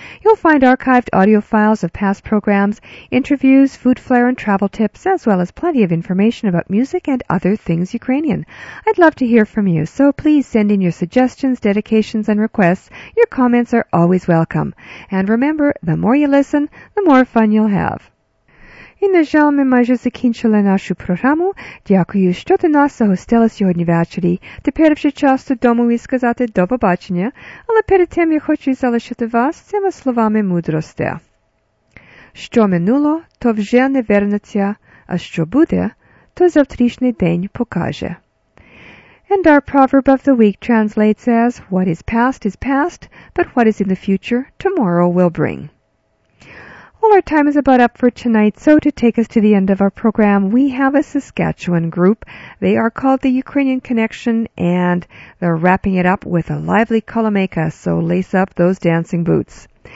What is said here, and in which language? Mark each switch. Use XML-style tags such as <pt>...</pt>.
<en>You'll find archived audio files of past programs, interviews, food flair, and travel tips, as well as plenty of information about music and other things Ukrainian. I'd love to hear from you, so please send in your suggestions, dedications, and requests. Your comments are always welcome. And remember, the more you listen, the more fun you'll have.</en> <uk>І на жаль, ми майже закінчили нашу програму. Дякую, що ти нас загостила сьогодні ввечері. Тепер вже час додому і сказати до побачення. Але перед тим я хочу залишити вас цими словами мудрості. Що минуло, то вже не вернеться, а що буде, то завтрашній день покаже.</uk> <en>And our proverb of the week translates as, "What is past, but what is in the future, tomorrow will bring." Well, our time is about up for tonight, so to take us to the end of our program, we have a Saskatchewan group. They are called the Ukrainian Connection, and they're wrapping it up with a lively kolomeka, so lace up those dancing boots.</en>